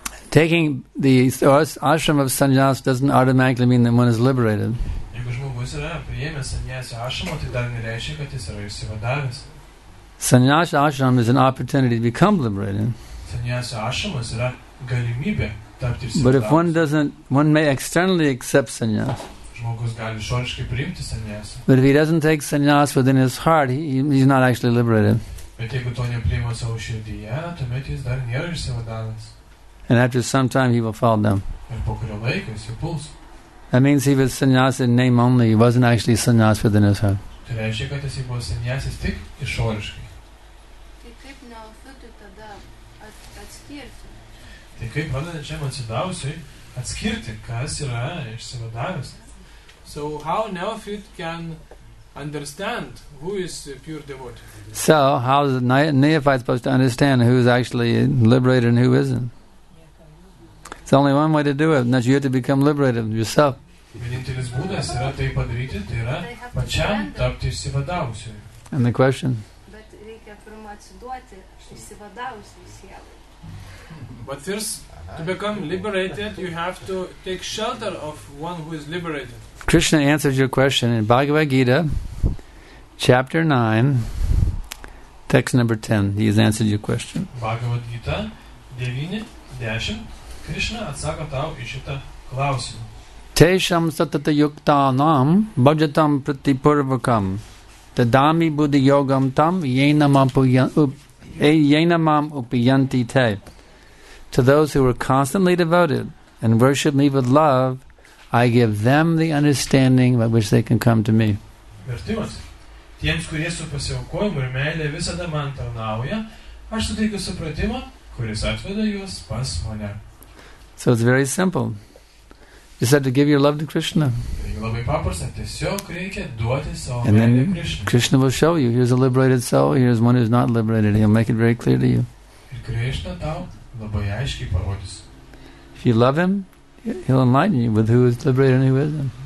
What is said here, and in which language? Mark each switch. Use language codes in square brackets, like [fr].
[en] Taking the ashram of sanyas doesn't automatically mean that one is liberated. [lt] Jeigu žmogus yra priėmęs sanyasio ashramą, tai dar nereiškia, kad jis yra išsivadavęs. [en] Sanyasa ashram is an opportunity to become liberated. Sanyasa ashram is a [lt] galimybė tapti [en] sanyasa. But if one doesn't, one may externally accept sanyas. [lt] Žmogus gali išoriškai priimti sanyasa. [en] But if he doesn't take sanyas within his heart, he's not actually liberated. [lt] Bet jeigu to nepriima savo širdyje, tuomet jis dar nėra išsivadavęs. [en] And after some time he will fall down. [lt] Ir po kurio laiko jis jau puls. [en] That means he was sanyas in name only, he wasn't actually sanyas within his heart. [lt] Tai reiškia, kad jis buvo sanyasis tik išoriškai. Tai kaip neofitui tada atskirti? Tai kaip pradedančiam atsidavusiui atskirti, kas yra išsivadavęs? [en] So how neofit can understand who is a pure devotee? So how is neophyte supposed to understand who is actually liberated and who isn't? It's only one way to do it, and that you have to become liberated yourself. [lt] Vienintelis būdas yra tai padaryti, tai yra pačiam tapti išsivadavusiu. [en] And the question? [lt] Bet reikia pirma atsiduoti išsivadavusiu sielai. [en] But first, to become liberated, you have to take shelter of one who is liberated. Krishna answers your question in Bhagavad Gita, chapter 9, text number 10. He has answered your question. Bhagavad Gita 9:10. [lt] Krishna atsako tau į šitą klausimą. [sa] Tesham satata yukta nam bhajatam pratipurvakam tadami buddhi yogam tam yenamam upiyanti te. [en] To those who are constantly devoted and worship me with love, I give them the understanding by which they can come to me. [lt] Vertimas. Tiems, kurie su pasiaukojimu ir meile visada man tarnauja, aš suteikiu supratimą, kuris atveda juos pas mane. [en] So it's very simple. You just have to give your love to Krishna. And then Krishna will show you. Here's a liberated soul. Here's one who's not liberated. He'll make it very clear to you. If you love him, he'll enlighten you with who is liberated and who isn't.